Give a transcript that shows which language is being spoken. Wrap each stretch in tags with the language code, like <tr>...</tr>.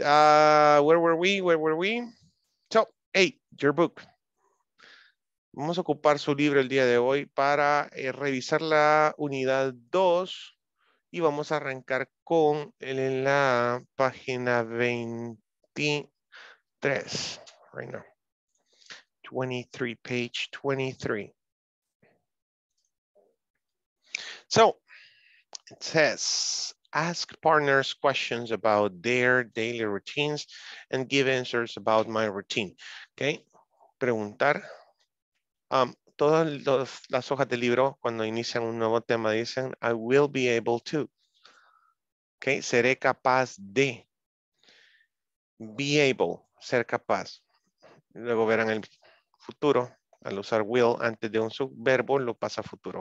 <en>Where were we? So, hey, your book.</en> <es>Vamos a ocupar su libro el día de hoy para revisar la unidad 2 y vamos a arrancar con él en la página 23.</es> <en>Right now. 23, page 23. So, it says, ask partners questions about their daily routines and give answers about my routine.</en> <es>Okay? Preguntar. Todas las hojas del libro cuando inician un nuevo tema dicen</es> <en>I will be able to.</en> <es>Okay, seré capaz de.</es> <en>Be able,</en> <es>ser capaz. Luego verán el futuro al usar will antes de un subverbo lo pasa a futuro.</es>